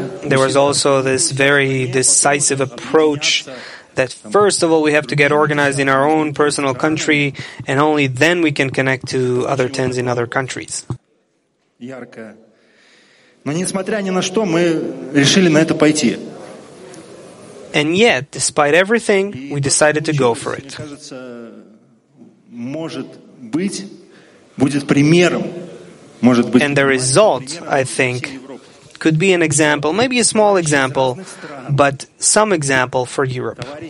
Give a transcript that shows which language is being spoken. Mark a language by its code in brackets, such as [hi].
[en] There was also this very decisive approach that first of all we have to get organized in our own personal country and only then we can connect to other tens in other countries. [ru] Но несмотря ни на что, мы решили на это пойти. [en] And yet, despite everything, we decided to go for it. And the result, I think, could be an example, maybe a small example, but some example for Europe.